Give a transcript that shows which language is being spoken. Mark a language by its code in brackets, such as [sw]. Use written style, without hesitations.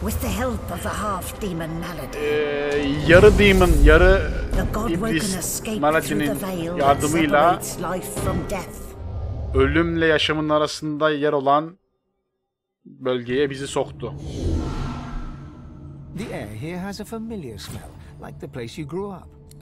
[en] With the help of the half demon malady. [tr] Yarı demon, yarı iblis malady'nin yardımıyla ölümle yaşamın arasında yer olan bölgeye bizi soktu. [en] The air here has a familiar smell, like the place you grew up.